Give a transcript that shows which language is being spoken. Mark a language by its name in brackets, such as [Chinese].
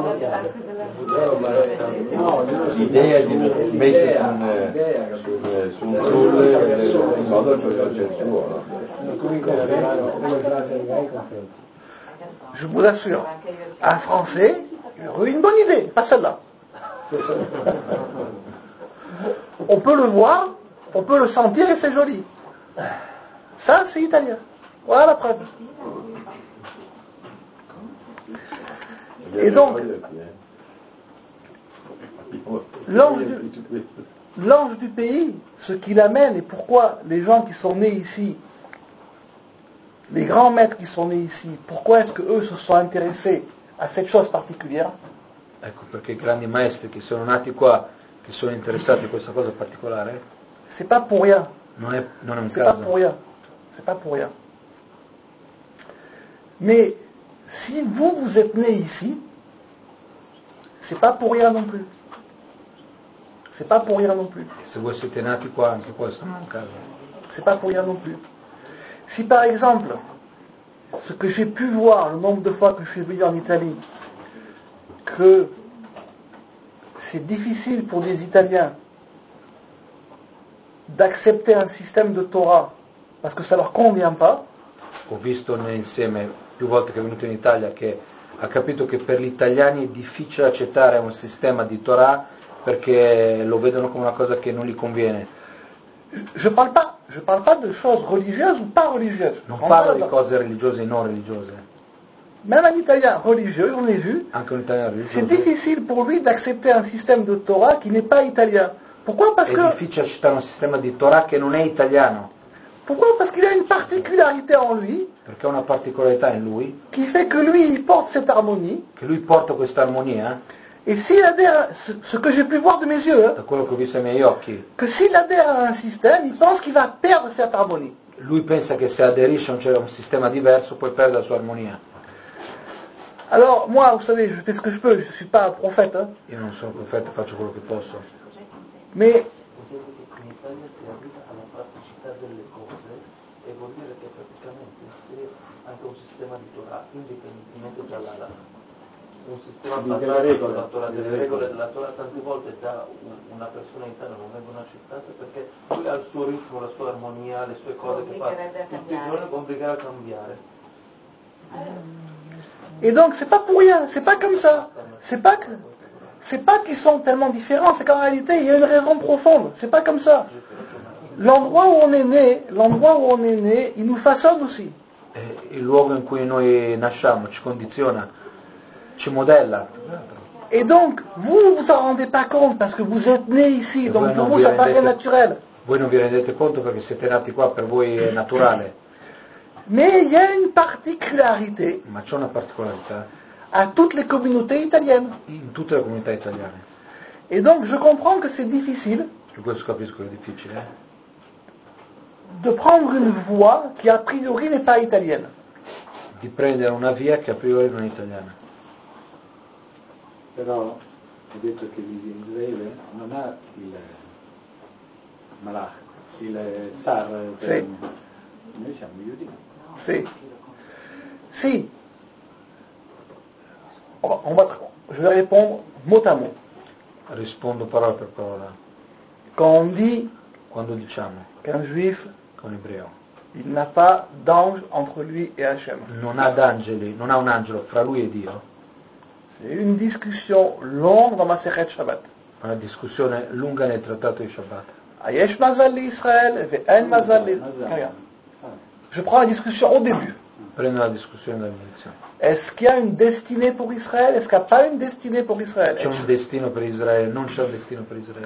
[Italian] L'idea di mettere su un sole in modo che lo accettuo. [French] Je vous assure, un Français aurait une bonne idée, pas celle-là. On peut le voir, on peut le sentir et c'est joli. Ça, c'est italien. Voilà la preuve. Et donc, l'ange du pays, ce qu'il amène et pourquoi les gens qui sont nés ici, les grands maîtres qui sont nés ici, pourquoi est-ce qu'eux se sont intéressés à cette chose particulière? [Italian] Ecco, perché i grandi maestri che sono nati qua, che sono interessati a questa cosa particolare? [French] C'est pas pour rien. [Italian] Non è un [French] c'est [Italian] caso. [French] Pas pour rien. C'est pas pour rien. Mais si vous êtes né ici, c'est pas pour rien non plus. C'est pas pour rien non plus. [Italian] Se voi siete nati qua, anche questo non è un caso. [French] C'est pas pour rien non plus. Si par exemple, ce que j'ai pu voir le nombre de fois que je suis venu en Italie, que c'est difficile pour des Italiens d'accepter un système de Torah parce que ça leur convient pas. [Italian] Ho visto insieme più volte che è venuto in Italia che ha capito che per gli italiani è difficile accettare un sistema di Torah perché lo vedono come una cosa che non gli conviene. [French] Je parle pas de choses religieuses ou pas religieuses. [Italian] Non parlo di cose religiose e non religiose. [French] Même un Italien religieux, on l'a vu, c'est difficile pour lui d'accepter un système de Torah qui n'est pas italien. Pourquoi? Parce que... C'est difficile d'accepter un système de Torah qui n'est pas italien. Pourquoi? Parce qu'il y a une particularité en lui. [Italian] Perché ha una particolarità in lui. [French] Qui fait que lui, il porte cette harmonie. [Italian] Che lui porta questa armonia. [French] Et s'il adhère, ce que j'ai pu voir de mes yeux, [Italian] da quello che ho visto ai miei occhi. [French] Que s'il adhère à un système, il pense qu'il va perdre cette harmonie. [Italian] Lui pensa che se aderisce a un sistema diverso, poi perde la sua armonia. [French] Alors, moi, vous savez, je fais ce que je peux, je ne suis pas un prophète. Hein. [Italian] Io non sono profeta, faccio quello che posso. [French] Mais [Italian] potere che in Italia si arriva alla praticità delle cose, e vuol dire che praticamente se anche un sistema di Torah, indipendentemente dalla, un sistema basato sulla Torah, delle regole della Torah, tante volte già una persona in Italia non vengono accettate perché lui ha il suo ritmo, la sua armonia, le sue cose che fa tutti i giorni, può obbligare a cambiare. [French] Et donc, c'est pas pour rien, c'est pas comme ça. C'est pas qu'ils sont tellement différents, c'est qu'en réalité, il y a une raison profonde. C'est pas comme ça. L'endroit où on est né, il nous façonne aussi. [Italian] Il luogo in cui noi nasciamo ci condiziona, ci modella. [French] Et donc, vous en rendez pas compte parce que vous êtes né ici, donc pour vous, ça paraît naturel. [Italian] Voi non vi rendete conto perché siete nati qua, per voi è naturale. [French] Mais il y a une particularité. [Italian] Ma c'è una particolarità. [French] À toutes les communautés italiennes. [Italian] In tutte le comunità italiane. [French] Et donc je comprends que c'est difficile. [Italian] Je questo capisco che è difficile. [French] De prendre une voie qui a priori n'est pas italienne. [Italian] Di prendere una via che a priori non è italiana. Però ho detto che l'Israele non ha il Malach, il Sar. Sì. Noi siamo giudici. Sì, sì. [French] Je vais répondre mot à mot. [Italian] Rispondo parola per parola. Quando diciamo [French] qu'un juif, [Italian] un ebreo, [French] il n'a pas d'ange entre lui et Hachem. [Italian] Non ha d'angeli, non ha un angelo fra lui e Dio. [French] C'est une discussion longue dans Maseret Shabbat. [Italian] Una discussione lunga nel trattato di Shabbat. [Hebrew] Ayesh mazal li Israel ve en mazal li Israel. [French] Je prends la discussion au début. [Italian] Prendo la discussione dall'inizio. [French] Est-ce qu'il y a une destinée pour Israël? Est-ce qu'il n'y a pas une destinée pour Israël? [Italian] C'è un destino per Israele, non c'è un destino per Israele.